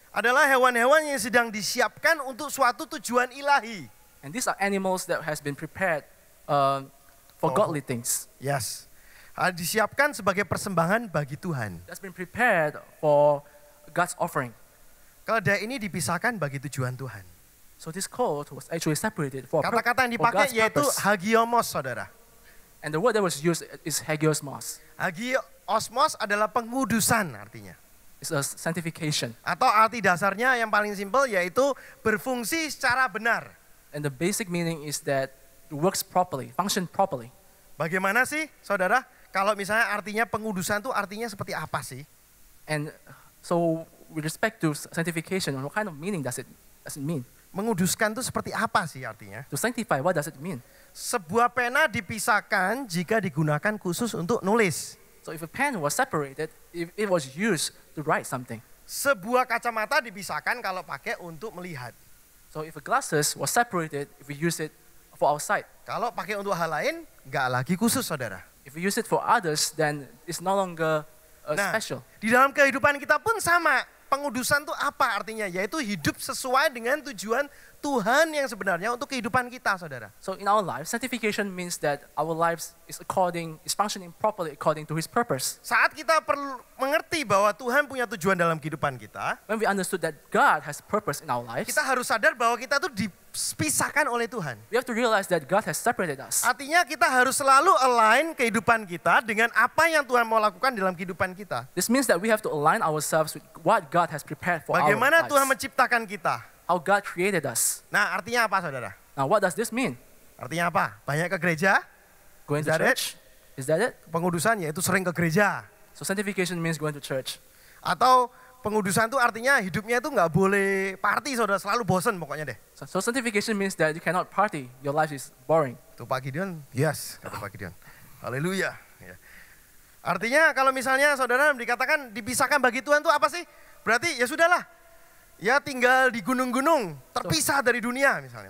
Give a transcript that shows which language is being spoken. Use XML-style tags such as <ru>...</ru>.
<id>adalah hewan-hewan yang sedang disiapkan untuk suatu tujuan ilahi.</id> <en>And these are animals that has been prepared for godly things. Yes,</en> <id>disiapkan sebagai persembahan bagi Tuhan.</id> <en>That's been prepared for God's offering.</en> <id>Keledai ini dipisahkan bagi tujuan Tuhan.</id> <en>So this colt was actually separated for.</en> <id>Kata-kata yang dipakai yaitu hagiomos, Saudara.</id> <en>And the word that was used is hagiosmos.</en> <id>Hagiosmos adalah pengudusan artinya.</id> <en>It's a sanctification.</en> <id>Atau arti dasarnya yang paling simple yaitu berfungsi secara benar.</id> <en>And the basic meaning is that it works properly, function properly.</en> <id>Bagaimana sih, Saudara? Kalau misalnya artinya pengudusan itu artinya seperti apa sih?</id> <en>And so with respect to sanctification, what kind of meaning does it mean?</en> <id>Menguduskan itu seperti apa sih artinya?</id> <en>To sanctify, what does it mean?</en> <id>Sebuah pena dipisahkan jika digunakan khusus untuk nulis.</id> <en>So if a pen was separated, if it was used to write something.</en> <id>Sebuah kacamata dipisahkan kalau pakai untuk melihat.</id> <en>So if a glasses was separated, if we use it for our sight.</en> <id>Kalau pakai untuk hal lain, enggak lagi khusus, Saudara.</id> <en>If we use it for others, then it's no longer special.</en> <id>Di dalam kehidupan kita pun sama. Pengudusan itu apa artinya? Yaitu hidup sesuai dengan tujuan Tuhan yang sebenarnya untuk kehidupan kita, Saudara.</id> <en>So in our life, sanctification means that our lives is functioning properly according to his purpose.</en> <id>Saat kita perlu mengerti bahwa Tuhan punya tujuan dalam kehidupan kita,</id> <en>when we understood that God has purpose in our lives,</en> <id>kita harus sadar bahwa kita itu dipisahkan oleh Tuhan.</id> <en>We have to realize that God has separated us.</en> <id>Artinya kita harus selalu align kehidupan kita dengan apa yang Tuhan mau lakukan dalam kehidupan kita.</id> <en>This means that we have to align ourselves with what God has prepared for.</en> <id>Bagaimana</id> <en>our lives.</en> <id>Tuhan menciptakan kita?</id> <en>How God created us.</en> <id>Nah, artinya apa, Saudara?</id> <en>Now, what does this mean?</en> <id>Artinya apa? Banyak ke gereja?</id> <en>Going to church? Is that it?</en> <id>Pengudusan yaitu sering ke gereja.</id> <en>So sanctification means going to church.</en> <id>Atau pengudusan itu artinya hidupnya itu enggak boleh party, Saudara, selalu bosan pokoknya deh.</id> <en>So sanctification means that you cannot party. Your life is boring.</en> <id>Kata Pak Gideon, yes, kata Pak Gideon. Haleluya. Ya. Artinya kalau misalnya saudara dikatakan dipisahkan bagi Tuhan itu apa sih? Berarti ya sudahlah. Ya tinggal di gunung-gunung, terpisah dari dunia misalnya.</id>